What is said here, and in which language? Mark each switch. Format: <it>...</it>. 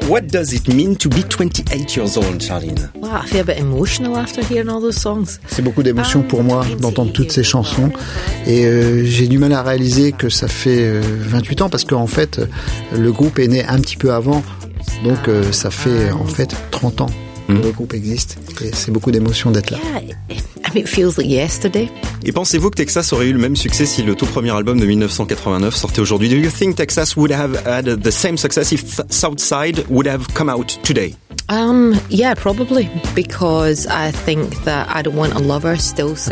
<en>What does it mean to be 28 years old, Charline? Wow, I feel a bit emotional after hearing all those songs.</en> <fr>C'est beaucoup d'émotion pour moi d'entendre toutes ces chansons. Et j'ai du mal à réaliser que ça fait 28 ans parce qu'en fait, le groupe est né un petit peu avant. Donc ça fait en fait 30 ans que le groupe existe. Et c'est beaucoup d'émotion d'être là.</fr> <en>It feels like yesterday.</en> <fr>Et pensez-vous que Texas aurait eu le même succès si le tout premier album de 1989 sortait aujourd'hui?</fr> <en>Do you think Texas would have had the same success if Southside would have come out today? Yeah, probably, because I think that I Don't Want a Lover still sounds</en>